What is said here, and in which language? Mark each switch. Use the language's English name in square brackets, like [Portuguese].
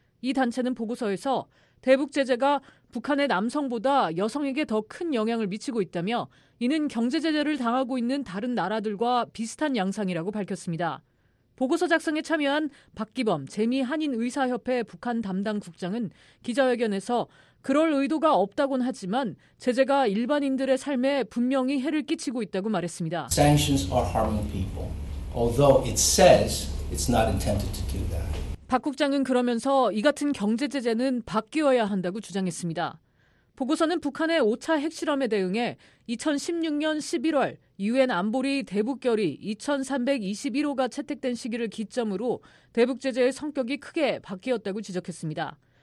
[Korean] 이 단체는 보고서에서 대북 제재가 북한의 남성보다 여성에게 더 큰 영향을 미치고 있다며 이는 경제 제재를 당하고 있는 다른 나라들과 비슷한 양상이라고 밝혔습니다. 보고서 작성에 참여한 박기범 재미한인의사협회 북한 담당 국장은 기자회견에서 그럴 의도가 없다곤 하지만 제재가 일반인들의 삶에 분명히 해를 끼치고 있다고 말했습니다. [English] Sanctions are harming people, although it says it's not intended to do that. [Korean] 박 국장은 그러면서 이 같은 경제 제재는 바뀌어야 한다고 주장했습니다. 보고서는 북한의 5차 핵실험에 대응해 2016년 11월 유엔 안보리 대북결의 2321호가 채택된 시기를 기점으로 대북 제재의 성격이 크게 바뀌었다고 지적했습니다.